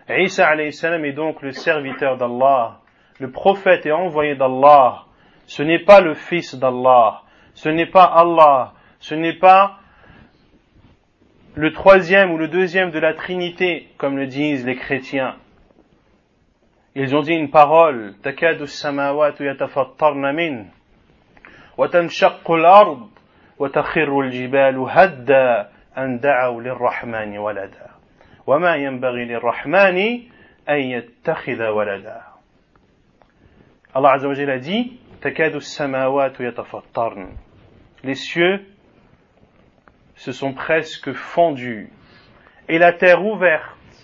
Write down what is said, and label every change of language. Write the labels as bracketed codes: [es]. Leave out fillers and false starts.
[fr] Isa alayhi salam est donc le serviteur d'Allah, le prophète et envoyé d'Allah. Ce n'est pas le fils d'Allah, ce n'est pas Allah, ce n'est pas le troisième ou le deuxième de la Trinité, comme le disent les chrétiens. Ils ont dit une parole, [ar] تَكَادُ السَّمَاوَاتُ يَتَفَطَّرْنَ مِنْ وَتَنْشَقُّ الْأَرْضُ وَتَخِرُّ الْجِبَالُ هَدَّا أَنْ دَعَوْ لِلرَّحْمَنِ وَلَدَا وَمَا يَنْبَغِي لِلرَّحْمَنِ أَنْ يَتَّخِذَ وَلَدَا. [fr] Allah Azza wa Jalla a dit, [ar] تَكَادُ السَّمَاوَاتُ يَتَفَطَّرْنَ. [fr] Les cieux se sont presque fendus et la terre ouverte.